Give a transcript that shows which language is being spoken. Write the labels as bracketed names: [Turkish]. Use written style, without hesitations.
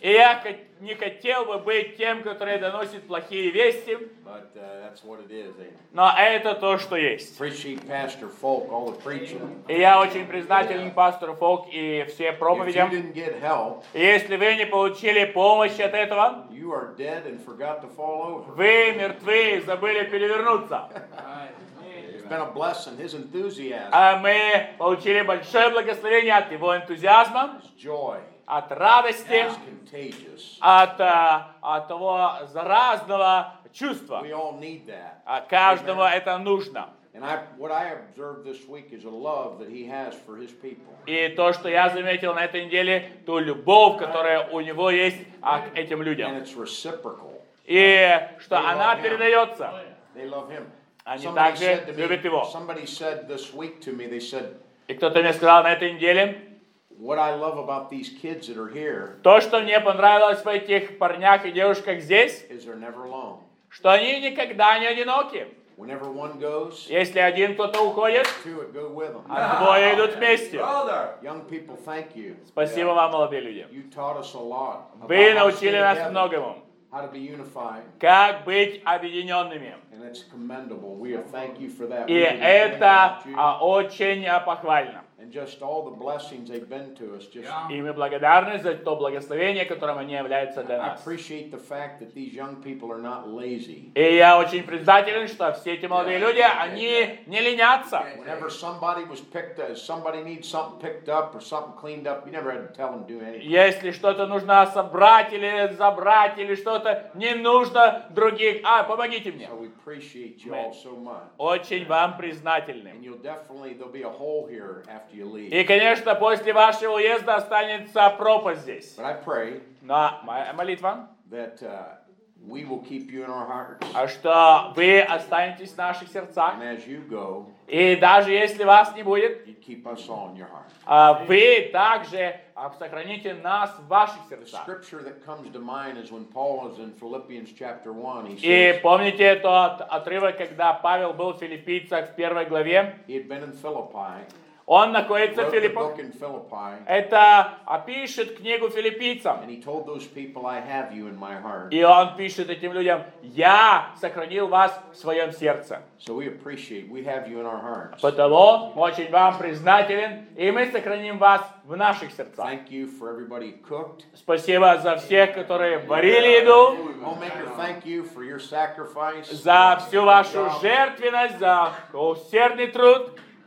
[Russian] И я не хотел бы быть тем, который доносит плохие вести. [English] But, that's what it is, ain't it? [Russian] Но это то, что есть. [English] Appreciate Pastor Folk, all the preaching. [Russian] И я очень признателен пастору Фолк и все проповедям. [English] If you didn't get help, [Russian] если вы не получили помощь от этого, [English] you are dead and forgot to fall over. [Russian] Вы мертвы и забыли перевернуться. [English] It's been a blessing, his enthusiasm. [Russian] А мы получили большое благословение от его энтузиазма. [English] His joy. [Russian] От радости, от того заразного чувства. [English] We all need that. [Russian] Каждому Amen. Это нужно. [English] And I, what I observed this week is a love that he has for his people. [Russian] И то, что я заметил на этой неделе, то любовь, которая у него есть к этим людям. [English] And it's reciprocal. [Russian] И что [English] they [Russian] она передается. [English] They love him. [Russian] Они также любят его. [English] Somebody said this week to me, they said, [Russian] и кто-то мне сказал на этой неделе, [English] what I love about these kids that are here, [Russian] то, что мне понравилось в этих парнях и девушках здесь, [English] is they're never alone. [Russian] Что они никогда не одиноки. [English] Whenever one goes, [Russian] если один кто-то уходит, [English] two go with them. [Russian] А двое идут вместе. [English] Young people, thank you. [Russian] Спасибо [English] yeah. [Russian] вам, молодые люди. [English] You taught us a lot. [Russian] Вы научили нас многому. [English] How to be unified. [Russian] Как быть объединенными. [English] And it's commendable. We thank you for that. [Russian] И это очень похвально. [English] And just all the blessings they've been to us. Just... [Russian] И мы благодарны за то благословение, которым они являются для нас. [English] I appreciate the fact that these young people are not lazy. [Russian] И я очень признателен, что все эти молодые люди, они не ленятся. [English] Whenever somebody was picked up, somebody needs something picked up or something cleaned up, you never had to tell them to do anything. [Russian] Если что-то нужно собрать или забрать или что-то, не нужно других. А, помогите мне. [English] So we appreciate you all so much. [Russian] Очень вам признательны. [English] And you'll definitely, there'll be a hole here after you leave. [Russian] И, конечно, после вашего уезда останется пропасть здесь. [English] But I pray, [Russian] но моя молитва, [English] that, we will keep you in our hearts. [Russian] А что вы останетесь в наших сердцах. [English] And as you go, [Russian] и даже если вас не будет, [English] you keep us all in your heart. [Russian] Вы также сохраните нас в ваших сердцах. [English] The scripture that comes to mind is when Paul was in Philippians chapter 1. [Russian] И помните тот отрывок, когда Павел был в Филиппийцах в первой главе? [English] He had been in Philippi. [Russian] Он находится в Филиппах. Это опишет книгу филиппийцам. [English] And he told those people, I have you in my heart. [Russian] И он пишет этим людям, я сохранил вас в своем сердце. [English] So we appreciate, we have you in our hearts. [Russian] Потому очень вам признателен, и мы сохраним вас в наших сердцах. [English] Thank you for everybody who cooked. [Russian] Спасибо за всех, которые варили еду. [English] Homemaker, thank you for your sacrifice. [Russian] За всю вашу жертвенность, за усердный труд.